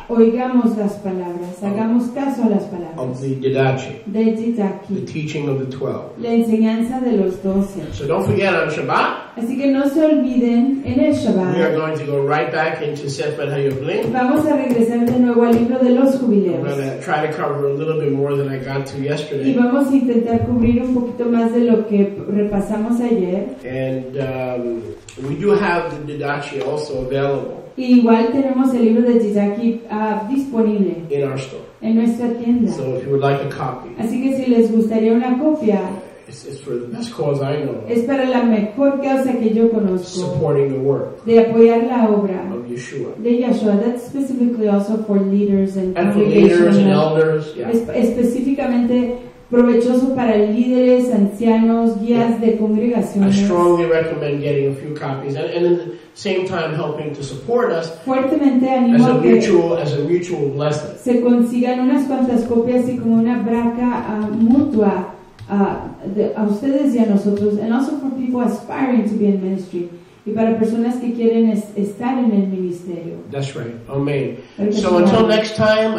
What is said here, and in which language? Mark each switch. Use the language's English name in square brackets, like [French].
[Spanish] oigamos las palabras, hagamos caso a las palabras, [English] of the Didache, [Spanish] de Didache, [English] the teaching of the 12, [Spanish] la enseñanza de los 12. [English] So don't forget on Shabbat, [Spanish] así que no se olviden en el Shabbat, [English] we are going to go right back into Sefer HaYubileum, [Spanish] vamos a regresar de nuevo al libro de los jubileos, [English] I'm going to try to cover a little bit more than I got to yesterday, [Spanish] y vamos a intentar cubrir un poquito más de lo que repasamos ayer, [English] and we do have the Didache also available. [Spanish] Y igual tenemos el libro de Didache disponible [English] in our store. [Spanish] En nuestra tienda. [English] So if you would like a copy. [Spanish] Así que si les gustaría una copia. [English] It's for the best cause I know. [Spanish] Es para la mejor causa que yo conozco. [English] Supporting the work. [Spanish] De apoyar la obra. [English] Of Yeshua. De Yeshua. That's specifically also for leaders and congregations. And for leaders and elders. Yeah. [Spanish] Específicamente provechoso para líderes, ancianos, guías de congregaciones. [English] I strongly recommend getting a few copies. And in the same time helping to support us. [Spanish] Fuertemente animo [English] as a mutual, as a mutual blessing. [Spanish] Se consigan unas cuantas copias y como una braca mutua. A ustedes y a nosotros, [English] and also for people aspiring to be in ministry, [Spanish] y para personas que quieren estar en el ministerio. [English] That's right. Amen. So until next time,